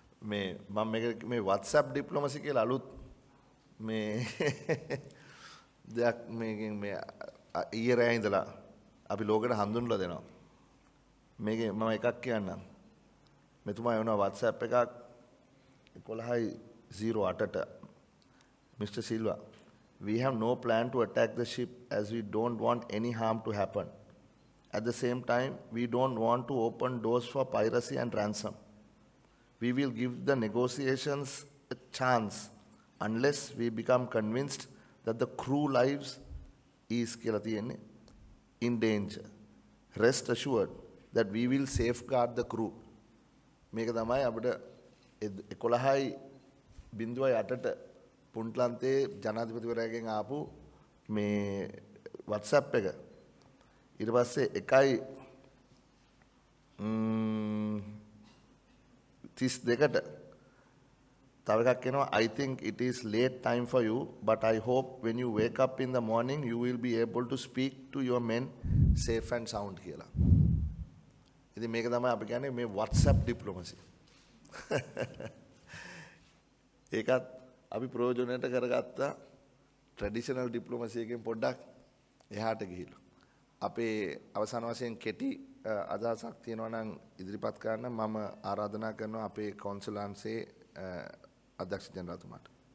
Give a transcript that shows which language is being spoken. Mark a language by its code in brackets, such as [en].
[si] මේ මම මේ WhatsApp ඩිප්ලොමසි කියලා අලුත් මේ දෙයක් මේකෙන් මේ ඊයේ රෑ ඉඳලා අපි ලෝකෙට හඳුන්වලා දෙනවා. මේකේ මම එකක් කියන්නම්. මෙතුමා එනවා WhatsApp එකක් 11:08ට mister Silva. [en] We have no plan to attack the ship as we don't want any harm to happen. At the same time, we don't want to open doors for piracy and ransom. We will give the negotiations a chance unless we become convinced that the crew lives is in danger. Rest assured that we will safeguard the crew. [si] Meka thamai apada 11:08ට පුන්ට්ලන්තේ ජනාධිපතිවරයාගෙන් ආපු මේ WhatsApp එක. ඊට පස්සේ 1:32ට තව එකක් එනවා. [en] I think it is late time for you, but I hope when you wake up in the morning you will be able to speak to your men safe and sound [si] කියලා. ඉතින් මේක තමයි අපි කියන්නේ මේ WhatsApp diplomacy. ඒකත් අපි ප්‍රයෝජනයට කරගත්ත ට්‍රෙඩිෂනල් ඩිප්ලොමසියකින් පොඩ්ඩක් එහාට ගිහිල්ලා. අපි අවසන් වශයෙන් කෙටි අදහසක් තියෙනවා නම් ඉදිරිපත් කරන්න මම ආරාධනා කරනවා අපේ කොන්සුලාන්සේ අධ්‍යක්ෂ ජනරාල්තුමාට.